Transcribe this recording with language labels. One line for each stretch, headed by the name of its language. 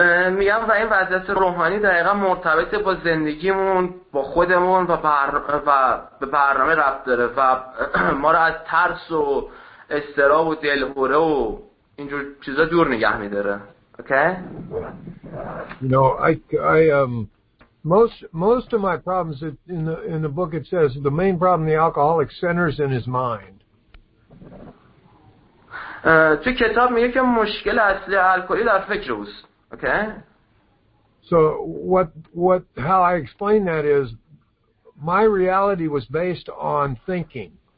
Persian: میگم و این وضعیت روحانی دقیقا مرتبط با زندگیمون با خودمون و به برنامه ربط داره و ما رو از ترس و اضطراب و دلهوره و اینجور چیزا دور نگه میداره.
English: Okay? You know, most of my problems in the book it says the main problem the alcoholic centers in his mind.
Persian: تو کتاب میگه که مشکل اصلی الکلی در فکر اوست. اوکی؟
English: So what how I explain that is my reality was based on thinking.